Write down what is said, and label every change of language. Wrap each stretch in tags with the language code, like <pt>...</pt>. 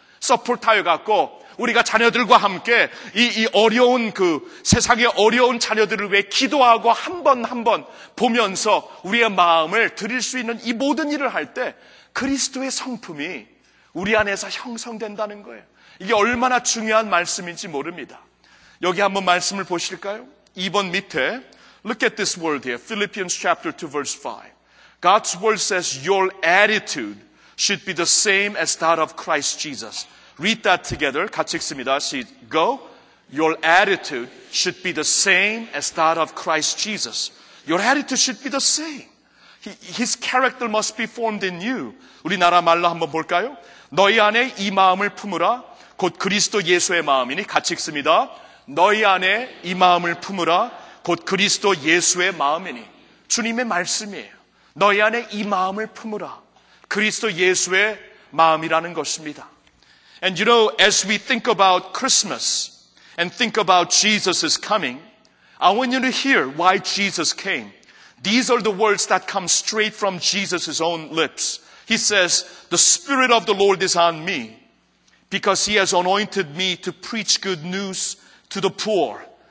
<ko>서포트하여 갖고 우리가 자녀들과 함께 이 어려운 그 세상의 어려운 자녀들을 위해 기도하고 한 번 보면서 우리의 마음을 드릴 수 있는 이 모든 일을 할 때 그리스도의 성품이 우리 안에서 형성된다는 거예요. 이게 얼마나 중요한 말씀인지 모릅니다. 여기 한번 말씀을 보실까요? 2번 밑에</ko> <en>Look at this word here. Philippians chapter 2 verse 5. God's word says your attitude should be the same as that of Christ Jesus. Read that together.</en> <ko>같이 읽습니다.</ko> <en>Go. Your attitude should be the same as that of Christ Jesus. Your attitude should be the same. His character must be formed in you.</en> <ko>우리나라 말로 한번 볼까요? 너희 안에 이 마음을 품으라. 곧 그리스도 예수의 마음이니. 같이 읽습니다. 너희 안에 이 마음을 품으라. 곧 그리스도 예수의 마음이니. 주님의 말씀이에요. 너희 안에 이 마음을 품으라. 그리스도 예수의 마음이라는 것입니다.</ko> <en>And you know, as we think about Christmas and think about Jesus' coming, I want you to hear why Jesus came. These are the words that come straight from Jesus' own lips. He says, the Spirit of the Lord is on me because He has anointed me to preach good news to the poor.</en>